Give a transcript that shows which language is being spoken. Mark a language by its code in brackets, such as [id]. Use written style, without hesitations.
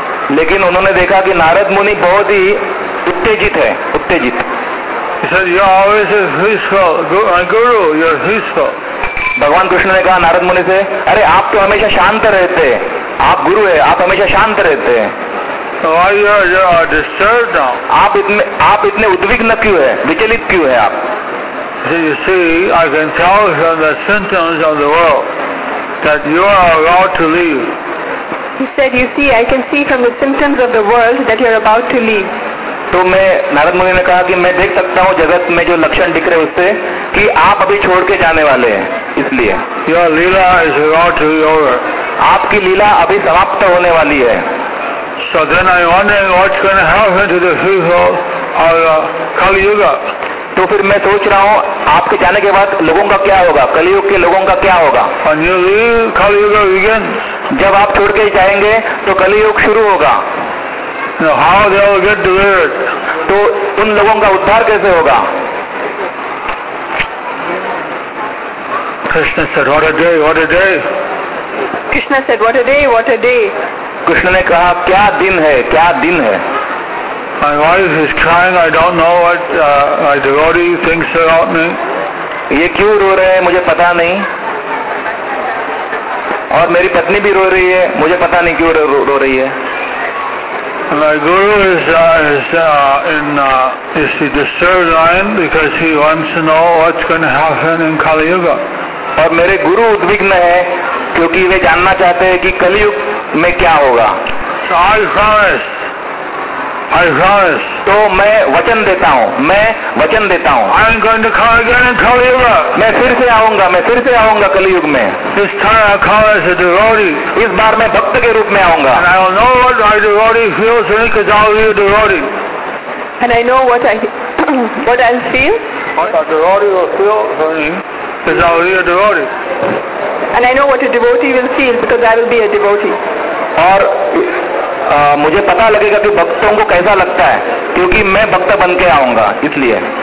[hi] लेकिन उन्होंने देखा कि नारद मुनि बहुत ही उत्तेजित है, उत्तेजित। [en] He said, "You are always peaceful, Guru. You are peaceful." [hi] भगवान कृष्ण ने कहा नारद मुनि से, अरे आप तो हमेशा शांत रहते हैं, आप गुरु हैं, आप हमेशा शांत रहते हैं। [en] Why you are disturbed now? [hi] आप इतने उद्विग्न क्यों हैं, विचलित क्यों हैं आप? [en] You see, I can tell from the symptoms of the world that you are about to leave. He said, "You see, I can see from the symptoms of the world that you are about to leave." [hi] तो मैं नारद मुनि ने कहा कि मैं देख सकता हूँ जगत में जो लक्षण दिख रहे हैं उससे कि आप अभी छोड़ के जाने वाले हैं इसलिए। [en] Your lila is about to be over. [hi] आपकी लीला अभी समाप्त होने वाली है। [en] So then I wonder what's going to happen to the people of Kali Yuga. [hi] तो फिर मैं सोच रहा हूँ आपके जाने के बाद लोगों का क्या होगा, कलयुग के लोगों का क्या होगा? [en] When you leave, Kali Yuga begins. [hi] जब आप छोड़ के जाएंगे तो कलयुग शुरू होगा। [en] Now, how they will get delivered? [hi] तो उन लोगों का उद्धार कैसे होगा? [en] Krishna said, "What a day! What a day!" Krishna said, "What a day! What a day!" [hi] Krishna ने कहा क्या दिन है, क्या दिन है? [en] My wife is crying. I don't know what my devotee thinks about me. [hi] ये क्यों रो रहे हैं मुझे पता नहीं। और मेरी पत्नी भी रो रही है, मुझे पता नहीं क्यों रो रही है। [en] My guru is the disturbed mind because he wants to know what's going to happen in Kali Yuga. [hi] और मेरे गुरु उद्विग्न है क्योंकि वे जानना चाहते हैं कि कलयुग में क्या होगा। [en] So I promise. [hi] तो मैं वचन देता हूँ, मैं वचन देता हूँ। [en] I am going to come again in Kali Yuga. [hi] मैं फिर से आऊँगा कलयुग में। [en] This time I come as a devotee. [hi] इस बार मैं भक्त के रूप में आऊँगा। [en] And I will know what my devotee feels when he comes out as a devotee. And I know what I'll feel. And I know what a devotee will feel because I will be a devotee. [hi] और मुझे पता लगेगा कि भक्तों को कैसा लगता है क्योंकि मैं भक्त बन के आऊंगा इसलिए।